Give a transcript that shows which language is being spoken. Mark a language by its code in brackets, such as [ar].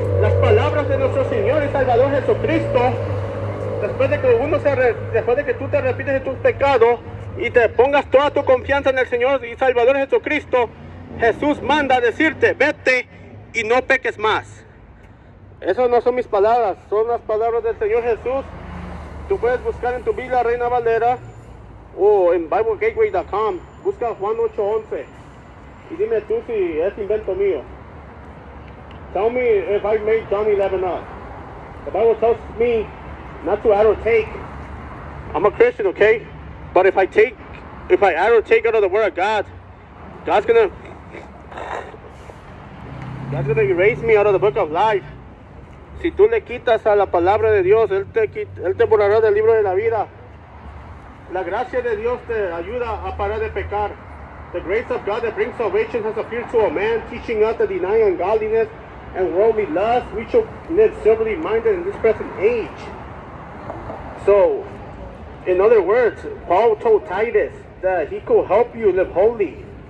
[es] Las palabras de nuestro Señor y Salvador Jesucristo. Después de que tú te arrepientes de tus pecados y te pongas toda tu confianza en el Señor y Salvador Jesucristo, Jesús manda decirte, vete y no peques más. Esas no son mis palabras, son las palabras del Señor Jesús. Tú puedes buscar en tu Biblia Reina Valera, o en BibleGateway.com, busca Juan 8:11 y dime tú si es invento mío. [en] Tell me if I made John 11 up. The Bible tells me not to add or take. I'm a Christian, okay? But if I add or take out of the word of God, God's gonna erase me out of the book of life. [es] Si tú le quitas a la palabra de Dios, él te borrará del libro de la vida. La gracia de Dios te ayuda a parar de pecar. [en] The grace of God that brings salvation has appeared to a man, teaching us to deny ungodliness and worldly lust. We should live soberly minded in this present age. So, in other words, Paul told Titus that he could help you live holy.